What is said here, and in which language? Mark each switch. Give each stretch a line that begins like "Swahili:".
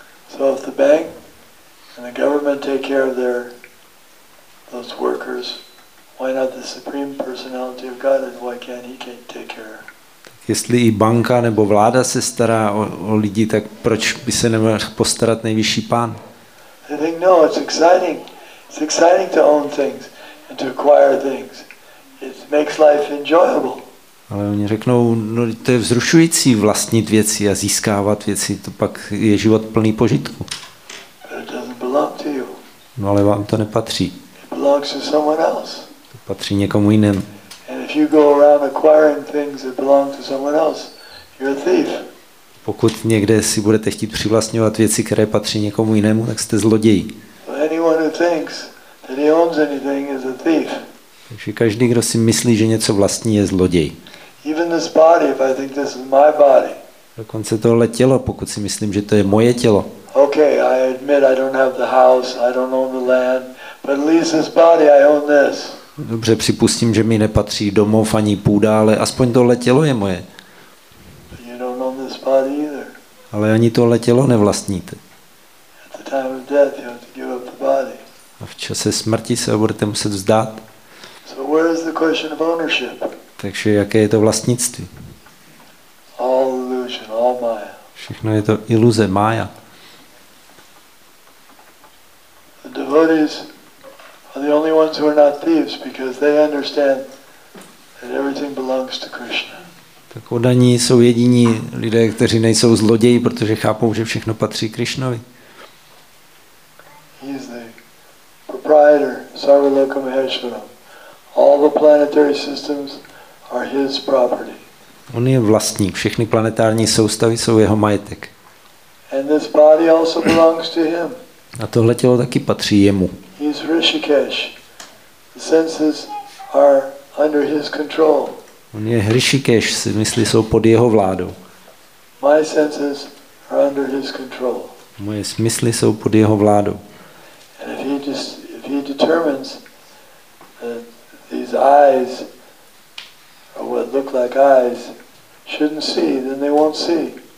English: So if the bank and the government take care of those workers, why not the Supreme Personality of God? Why can't he take care?
Czech: Jestli i banka nebo vláda se stará o lidi, tak proč by se neměl postarat nejvyšší pán?
English: I think no, it's exciting. It's exciting to own things and to acquire things. It makes life enjoyable.
Czech: Ale oni řeknou, no to je vzrušující vlastnit věci a získávat věci, to pak je život plný požitku.
English: But it doesn't belong to you.
Czech: No ale vám to nepatří.
English: It belongs to someone else.
Czech: To patří někomu jinému.
English: If you go around acquiring things that belong to someone else, you're a thief.
Czech: Pokud někde si budete chtít přivlastňovat věci, které patří někomu jinému, tak jste zloděj.
English: So thinks that he owns anything is a thief.
Czech: Takže každý, kdo si myslí, že něco vlastní, je zloděj.
English: Even this body, if I think this is my body.
Czech: Dokonce tohle tělo, pokud si myslím, že to je moje tělo.
English: Okay, I admit I don't have the house, I don't own the land, but at least this body I own this.
Czech: Dobře, připustím, že mi nepatří domov ani půda, ale aspoň tohle tělo je moje.
English: But you don't own this body either.
Czech: Ale ani tohle tělo nevlastníte.
English: At the time of death, you have to give up the body.
Czech: A v čase smrti se ho budete muset vzdát.
English: So where is the question of ownership?
Czech: Takže jaké je to vlastnictví?
English: All illusion, all Maya.
Czech: Všechno je to iluze, Maya.
English: The devotees are the only ones who are not thieves because they understand that everything belongs to Krishna.
Czech: Tak oddaní jsou jediní lidé, kteří nejsou zloději, protože chápou, že všechno patří Krishnovi.
English: He is the proprietor, Sarvaloka Maheshwaram. All the planetary systems are his property.
Czech: On je vlastník, všechny planetární soustavy jsou jeho majetek.
English: And this body also belongs to him.
Czech: A tohle tělo taky patří jemu.
English: He's Rishikesh. The senses are under his control.
Czech: On je Rishikesh, mysli jsou pod jeho vládou.
English: My senses are under his control.
Czech: Moje smysly jsou pod jeho vládou.
English: And if he determines that these eyes, or what look like eyes, shouldn't see, then they won't see.